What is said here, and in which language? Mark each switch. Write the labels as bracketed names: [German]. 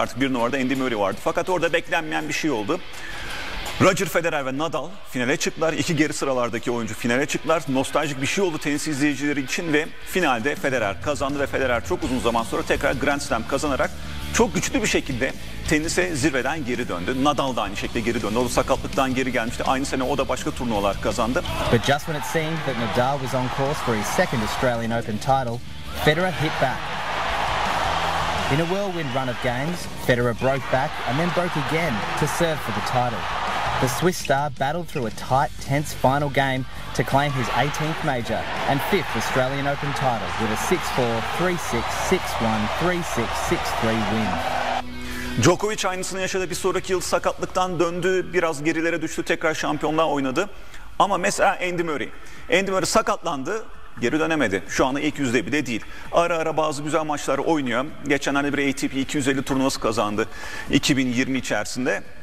[Turkish] Artık bir numarada Andy Murray vardı. Fakat orada beklenmeyen bir şey oldu. Roger Federer ve Nadal finale çıktılar. İki geri sıralardaki oyuncu finale çıktılar. Nostaljik bir şey oldu tenis izleyicileri için ve finalde Federer kazandı ve Federer çok uzun zaman sonra tekrar Grand Slam kazanarak çok güçlü bir şekilde tenise zirveden geri döndü. Nadal da aynı şekilde geri döndü. O da sakatlıktan geri gelmişti. Aynı sene o da başka turnuvalar kazandı. [English] But just when it seemed that Nadal was on course for his second Australian Open title, Federer hit back. In a whirlwind run of games, Federer broke back and then broke again to serve for the title. The Swiss star battled through a tight, tense final game to claim his 18th major and 5th Australian Open title with a 6-4, 3-6, 6-1, 3-6, 6-3 win. [Turkish] Djokovic aynısını yaşadı. Bir sonraki yıl sakatlıktan döndü, biraz gerilere düştü, tekrar şampiyonluğa oynadı. Ama mesela Andy Murray. Andy Murray sakatlandı, geri dönemedi. Şu anda ilk yüzde bir de değil. Ara ara bazı güzel maçlar oynuyor. Geçenlerde bir ATP 250 turnuvası kazandı 2020 içerisinde.